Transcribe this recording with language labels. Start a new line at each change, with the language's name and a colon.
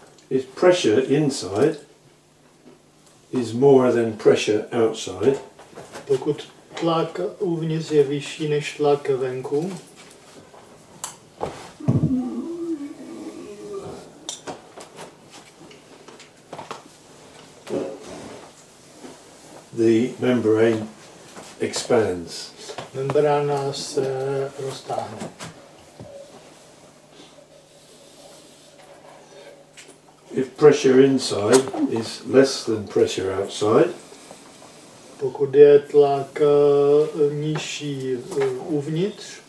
English: If pressure inside is more than pressure outside.
Czech: Pokud tlak uvnitř je vyšší než tlak venku.
English: The membrane expands.
Czech: Membrana se roztáhne.
English: If pressure inside is less than pressure outside,
Czech: pokud je tlak nižší uvnitř,